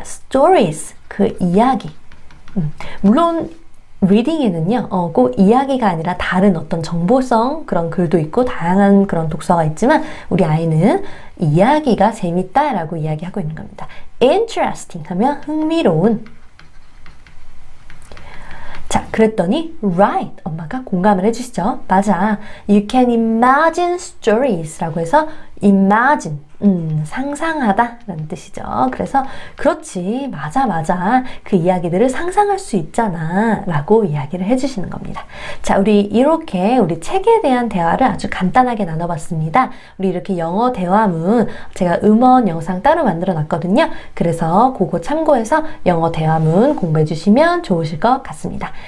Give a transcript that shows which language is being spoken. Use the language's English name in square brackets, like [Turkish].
[Korean] stories 그 이야기. 물론 리딩에는요, 꼭 이야기가 아니라 다른 어떤 정보성 그런 글도 있고 다양한 그런 독서가 있지만 우리 아이는 이야기가 재밌다라고 이야기하고 있는 겁니다. interesting 하면 흥미로운. 자, 그랬더니, right. 엄마가 공감을 해주시죠. 맞아. [English] You can imagine stories [Korean] 라고 해서, [English] imagine. [Korean] 상상하다라는 뜻이죠. 그래서, 그렇지. 맞아, 맞아. 그 이야기들을 상상할 수 있잖아. 라고 이야기를 해주시는 겁니다. 자, 우리 이렇게 우리 책에 대한 대화를 아주 간단하게 나눠봤습니다. 우리 이렇게 영어 대화문, 제가 음원 영상 따로 만들어 놨거든요. 그래서 그거 참고해서 영어 대화문 공부해 주시면 좋으실 것 같습니다.